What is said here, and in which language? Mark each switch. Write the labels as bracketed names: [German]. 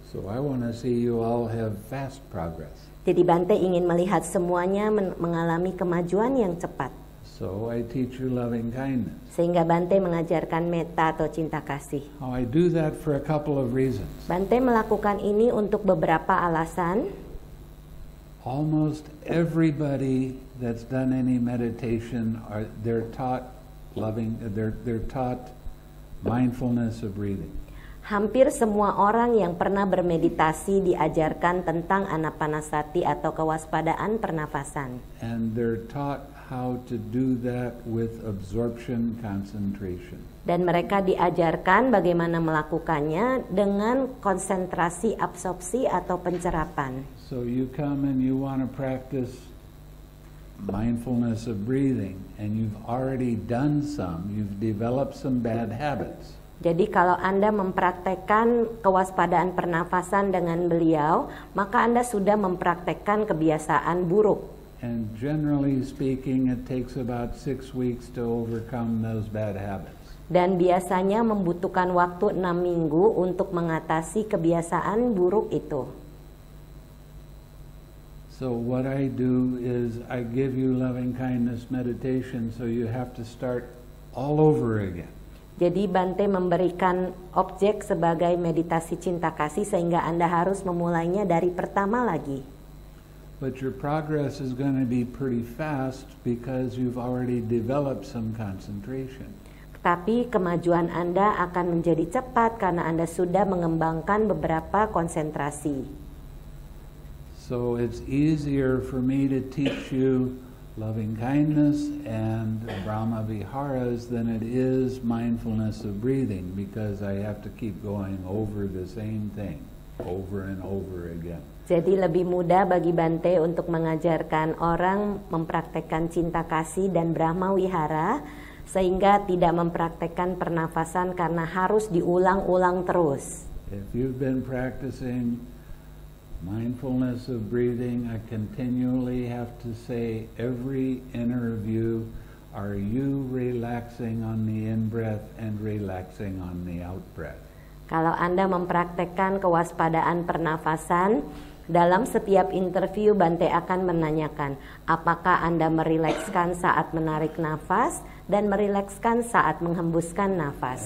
[English] So I want to see you all have fast progress. [Indonesian] Jadi Bante ingin melihat semuanya mengalami kemajuan yang cepat. [English] So I teach you loving kindness. [Indonesian] Sehingga Bante mengajarkan metta atau cinta kasih. [English] Oh, I do that for a couple of reasons. [Indonesian] Bante melakukan ini untuk beberapa alasan. [English] Almost everybody that's done any meditation they're taught mindfulness of breathing. [Indonesian] Hampir semua orang yang pernah bermeditasi diajarkan tentang anapanasati atau kewaspadaan pernafasan. [English] And they're taught how to do that with absorption concentration. [Indonesian] Dan mereka diajarkan bagaimana melakukannya dengan konsentrasi absorpsi atau pencerapan. [English] So you come and you want to practice mindfulness of breathing and you've already done some, you've developed some bad habits. [Indonesian] Jadi kalau Anda mempraktekkan kewaspadaan pernafasan dengan beliau, maka Anda sudah mempraktekkan kebiasaan buruk. [English] And generally speaking, it takes about 6 weeks to overcome those bad habits. [Indonesian] Dan biasanya membutuhkan waktu 6 minggu untuk mengatasi kebiasaan buruk itu. [English] So what I do is I give you loving kindness meditation, so you have to start all over again. [Indonesian] Jadi Bante memberikan objek sebagai meditasi cinta kasih sehingga Anda harus memulainya dari pertama lagi. [English] But your progress is going to be pretty fast because you've already developed some concentration. [Indonesian] Tapi kemajuan Anda akan menjadi cepat karena Anda sudah mengembangkan beberapa konsentrasi. [English] So it's easier for me to teach you loving kindness and Brahma Viharas than it is mindfulness of breathing, because I have to keep going over the same thing over and over again. [Indonesian] Jadi lebih mudah bagi Bante untuk mengajarkan orang mempraktekkan cinta kasih dan Brahma Vihara sehingga tidak mempraktekkan pernafasan karena harus diulang-ulang terus. [English] If you've been practicing mindfulness of breathing, I continually have to say every interview, are you relaxing on the in-breath and relaxing on the out-breath? [Indonesian] Kalau Anda mempraktekkan kewaspadaan pernafasan, dalam setiap interview Bante akan menanyakan, apakah Anda merilekskan saat menarik nafas dan merilekskan saat menghembuskan nafas?